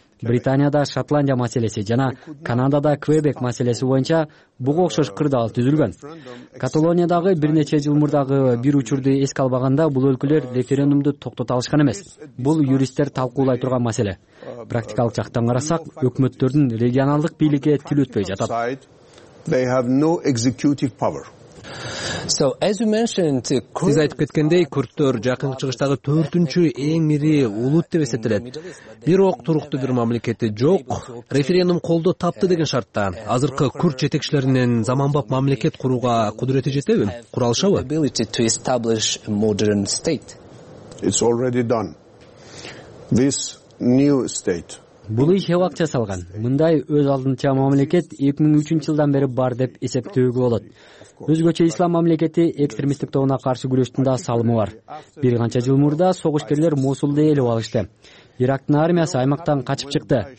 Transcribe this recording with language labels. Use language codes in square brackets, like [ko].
[ky] Британияда Шотландия маселеси жана Канадада Квебек маселеси боюнча буга окшош кырдаал түзүлгөн. Каталониядагы бир нече жыл мурдагы бир учурду эске албаганда бул өлкөлөр референдумду токтото алышкан эмес. Бул юристтер талкуулай турган маселе. Практикалык жактан карасак, өкмөттөрдүн регионалдык бийлиги тил өтпөй жатат. [en] They have no executive power. So as you mentioned, [ky] сиз айтып кеткендей, курдтор жакынкы чыгыштагы 4-үнчү эң ири улут деп эсептелет. Бирок туруктуу бир мамлекети жок. Референдум колдоо тапты деген шартта азыркы курд жетекчилеринин заманбап мамлекет курууга кудурети жетеби? Куралышабы? [en] Ability to establish a modern state. It's already done. This new state. [ky] Бул ишке вакыт жасалган. Мындай өз алдынча мамлекет 2003 жылдан бери бар деп эсептөөгө болот. Өзгөчө ислам мамлекети экстремисттик тобуна каршы күрөштүн да салымы бар. Бир канча жыл мурда согушкерлер Мосулду ээлеп алышты. Ирактын армиясы аймактан качып чыкты.